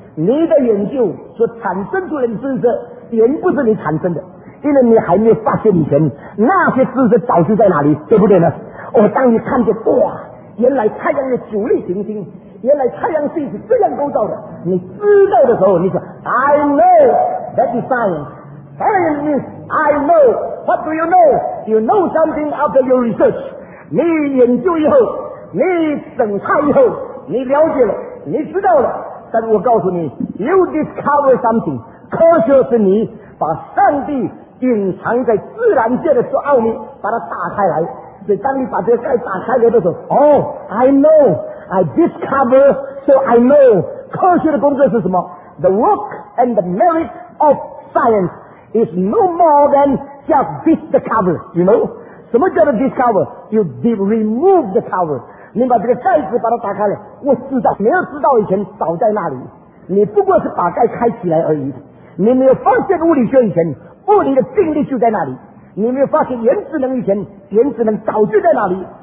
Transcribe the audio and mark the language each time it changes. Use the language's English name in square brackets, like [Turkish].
[Chinese] 你的研究所产生出来的知识，并不是你产生的，因为你还没发现以前，那些知识早就在哪里，对不对呢？哦，当你看见哇，原来太阳有九粒行星，原来太阳系是这样构造的，你知道的时候，你说 [English] I know that is science. Science means I know. What do you know? You know something after your research. [Chinese] 你研究以后，你审查以后，你了解了，你知道了。但我告诉你， [English] you discover something. [Chinese] 科学是你把上帝隐藏在自然界的奥秘把它打开来。所以当你把这个盖打开来的时候，哦， [English] I know, I discover, so I know. [Chinese] 科学的工作是什么？ [English] The work and the merit of science is no more than just discover, you know? [Chinese] 什么叫做 discover? [English] You remove the cover. [Chinese] 你把这个盖子把它打开来，我知道，没有知道以前早在那里，你不过是把盖开起来而已。你没有发现物理学以前，物理的定律就在那里。你没有发现原子能以前，原子能早就在那里。